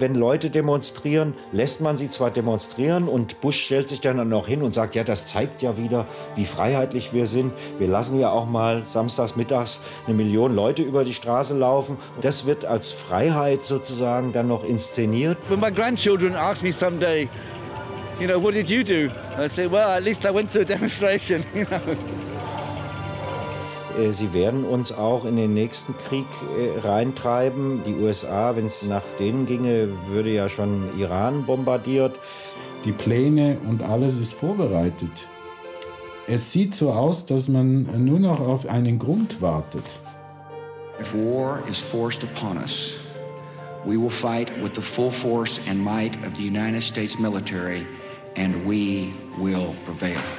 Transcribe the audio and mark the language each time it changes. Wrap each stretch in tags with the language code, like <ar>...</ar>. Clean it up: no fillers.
<de>Wenn Leute demonstrieren, lässt man sie zwar demonstrieren und Bush stellt sich dann auch hin und sagt, ja, das zeigt ja wieder, wie freiheitlich wir sind. Wir lassen ja auch mal samstags mittags 1 Million Leute über die Straße laufen. Das wird als Freiheit sozusagen dann noch inszeniert.</de> <en>When my grandchildren ask me someday, you know, what did you do? I say, well, at least I went to a demonstration, you know.</en> <de>Sie werden uns auch in den nächsten Krieg reintreiben. Die USA, wenn es nach denen ginge, würde ja schon Iran bombardiert. Die Pläne und alles ist vorbereitet. Es sieht so aus, dass man nur noch auf einen Grund wartet.</de> <en>If war is forced upon us, we will fight with the full force and might of the United States military and we will prevail.</en>